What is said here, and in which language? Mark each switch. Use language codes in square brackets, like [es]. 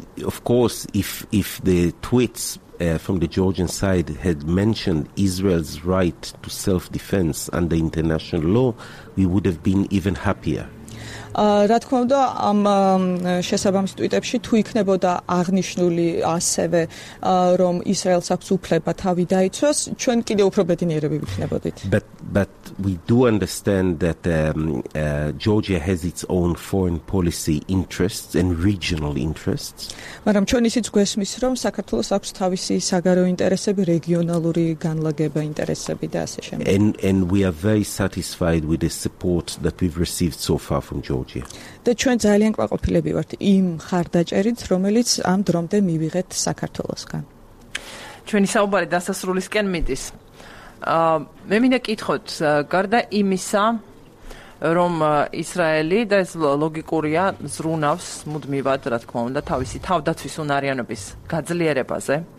[en] Of course if the tweets from the Georgian side had mentioned Israel's right to self-defense under international law, we would have been even happier. [ka] რა თქმა უნდა, ამ შესაბამის ტვიტებში თუ იქნებოდა აღნიშნული ასევე რომ ისრაელს აქვს უფლება თავი დაიცვას, ჩვენ კიდევ უფრო ბედნიერები ვიქნებოდით. [en] But we do understand that Georgia has its own foreign policy interests and regional interests. [ka] მაგრამ ჩვენ ისიც გვესმის რომ საქართველოს აქვს თავისი საგარეო ინტერესები, რეგიონალური განლაგება ინტერესები და ასე შემდეგ. [en] And we are very satisfied with the support that we've received so far from Georgia. [ka] და ჩვენ ძალიან კმაყოფილები ვართ იმ ხარდაჭერით, რომელიც ამ დრომდე მივიღეთ საქართველოსგან. ჩვენი საუბარი დასასრულისკენ მიდის. მე მინდა კითხოთ, გარდა იმისა, რომ ისრაელი და ეს ლოგიკურია ზრუნავს მუდმივად, რა თქმა უნდა, თავისი თავდაცვის უნარიანობის გაძლიერებაზე.